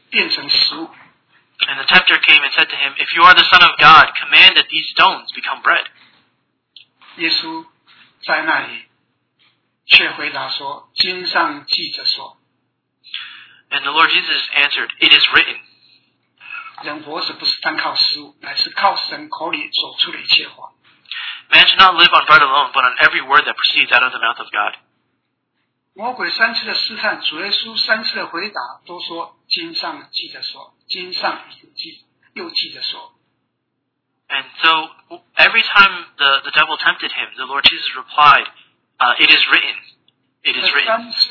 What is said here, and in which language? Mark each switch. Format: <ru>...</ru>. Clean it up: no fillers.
<en>And the tempter came and said to Him, If you are the Son of God, command that these stones become bread.</en> <zh>耶稣在那里却回答说经上记着说</zh> <en>And the Lord Jesus answered It is written</en> <zh>人活着不是单靠食物乃是靠神口里所出的一切话</zh> <en>Man should not live on bread alone but on every word that proceeds out of the mouth of God</en> <zh>魔鬼三次的试探主耶稣三次的回答都说经上记着说经上又记着说</zh> <en>And so every timethe devil tempted him, the Lord Jesus replied, it is written. It is written.</en>